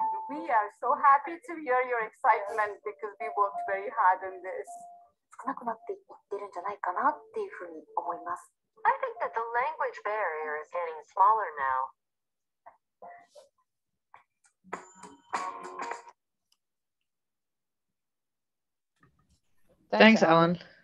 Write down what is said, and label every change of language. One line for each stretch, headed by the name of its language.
English: We are so happy to hear your excitement because we worked very hard on this.
Japanese: 少なくなっていってるんじゃないかなっていうふうに思います。
English: I think that the language barrier is getting smaller now. Thanks, Alan.